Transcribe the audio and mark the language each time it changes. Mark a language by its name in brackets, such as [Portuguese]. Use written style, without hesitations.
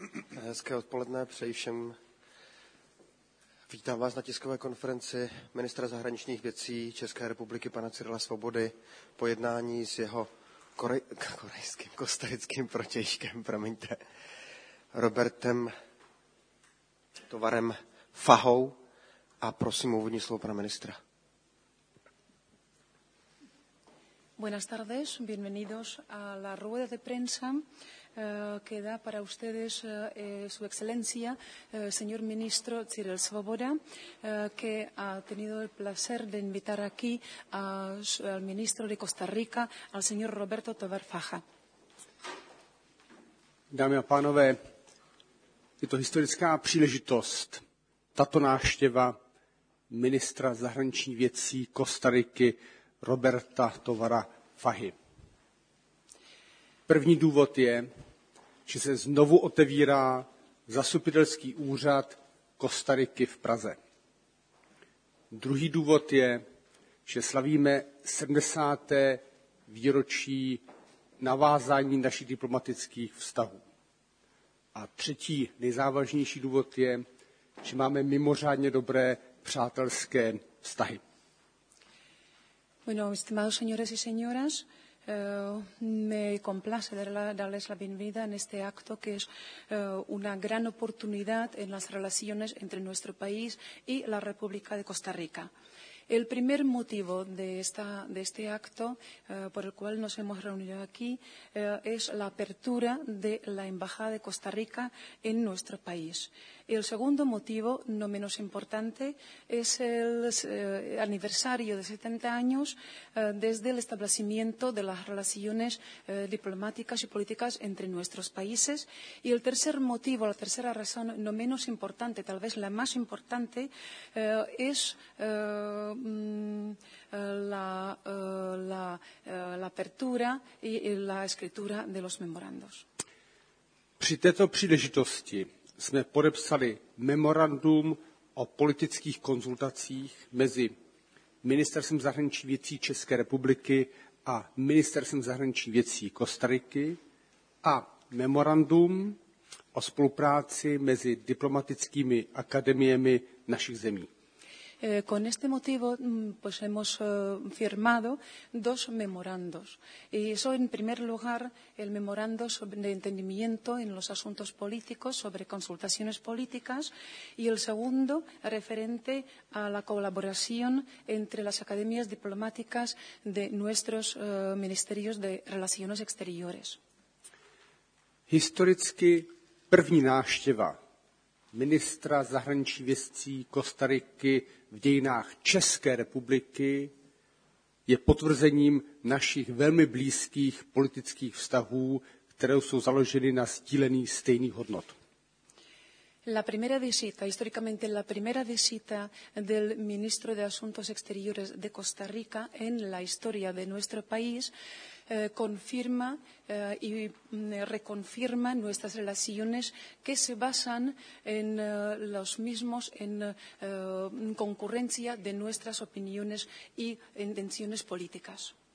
[Czech] Hezké odpoledne přeji všem. Vítám vás na tiskové konferenci ministra zahraničních věcí České republiky pana Cyrila Svobody po jednání s jeho korejským kostarickým protějškem, promiňte, Robertem Tovarem Fahou, a prosím o úvodní slovo pana ministra. [Spanish] Buenas tardes, bienvenidos a la rueda de prensa que da para ustedes su excelencia, señor ministro Cyril Svoboda, que ha tenido el placer de invitar aquí al ministro de Costa Rica, al señor Roberto Tovar Faja. [Czech] Dámy a pánové, je to historická příležitost, tato návštěva ministra zahraničních věcí Kostariky Roberta Tovara Fahy. První důvod je, že se znovu otevírá zastupitelský úřad Kostariky v Praze. Druhý důvod je, že slavíme 70. výročí navázání našich diplomatických vztahů. A třetí nejzávažnější důvod je, že máme mimořádně dobré přátelské vztahy. [Spanish] Bueno, estimados señores y señoras, me complace darles la bienvenida en este acto que es una gran oportunidad en las relaciones entre nuestro país y la República de Costa Rica. El primer motivo de este acto por el cual nos hemos reunido aquí es la apertura de la Embajada de Costa Rica en nuestro país. El segundo motivo, no menos importante, es el aniversario de 70 años desde el establecimiento de las relaciones diplomáticas y políticas entre nuestros países. Y el tercer motivo, la tercera razón, no menos importante, tal vez la más importante, es la apertura y la escritura de los memorandos. [Czech] Při této příležitosti jsme podepsali memorandum o politických konzultacích mezi Ministerstvem zahraničních věcí České republiky a Ministerstvem zahraničních věcí Kostariky a memorandum o spolupráci mezi diplomatickými akademiemi našich zemí. [Spanish] Con este motivo pues hemos firmado dos memorandos. Y eso en primer lugar, el memorando de entendimiento en los asuntos políticos sobre consultaciones políticas y el segundo referente a la colaboración entre las academias diplomáticas de nuestros ministerios de relaciones exteriores. [Czech] Historicky první návštěva ministra zahraničních věcí Kostariky v dějinách České republiky je potvrzením našich velmi blízkých politických vztahů, které jsou založeny na sdílení stejných hodnot. [Spanish] La primera visita, históricamente la primera visita del ministro de Asuntos Exteriores de Costa Rica en la historia de nuestro país confirma y reconfirma nuestras relaciones que se basan en los mismos, en concurrencia de nuestras opiniones y intenciones políticas.